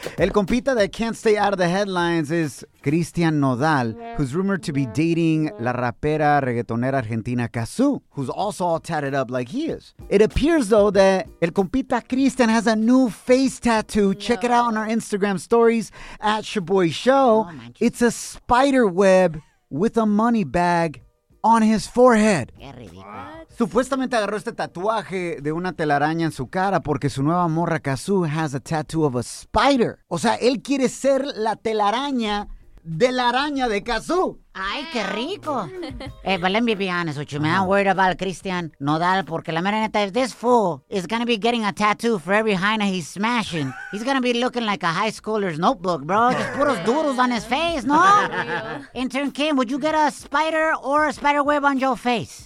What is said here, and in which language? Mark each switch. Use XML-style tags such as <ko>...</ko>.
<en>El compita that can't stay out of the headlines is Cristian Nodal, who's rumored to be dating</en> <es>la rapera reggaetonera argentina</es> <en>Cazzu, who's also all tatted up like he is. It appears, though, that el compita Cristian has a new face tattoo. No. Check it out on our Instagram stories at Shaboy Show. Oh, it's a spider web with a money bag on his forehead. What?</en> <es>Supuestamente agarró este tatuaje de una telaraña en su cara porque su nueva morra Cazzu</es> <en>has a tattoo of a spider.</en> <es>O sea, él quiere ser la telaraña de la araña de Cazzu. Ay, qué rico.</es> <en>Hey, but let me be honest with you, man. I'm worried about Cristian Nodal</en> <es>porque la mera neta,</es> <en>if this fool is gonna be getting a tattoo for every hyena he's smashing, he's gonna be looking like a high schooler's notebook, bro. Just put those doodles on his face, no? Intern Kim, would you get a spider or a spider web on your face?</en>